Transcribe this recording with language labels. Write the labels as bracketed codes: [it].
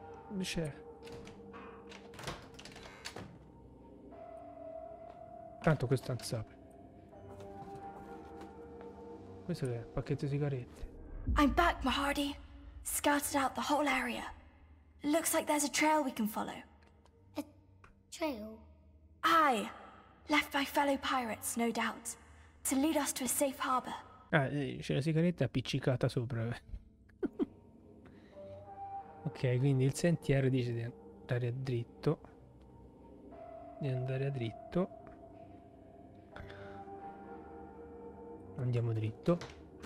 [it] Dice. Tanto questo non sape. Questo è il pacchetto di sigarette. [en] I'm back, Mahardy. Scouted out the whole area. Looks like there's a trail we can follow. A trail? Aye. Left by fellow pirates, no doubt, to lead us to a safe harbor. [it] Ah, c'è la sigaretta appiccicata sopra. Ok, quindi il sentiero dice di andare a dritto. Di andare a dritto. Andiamo dritto.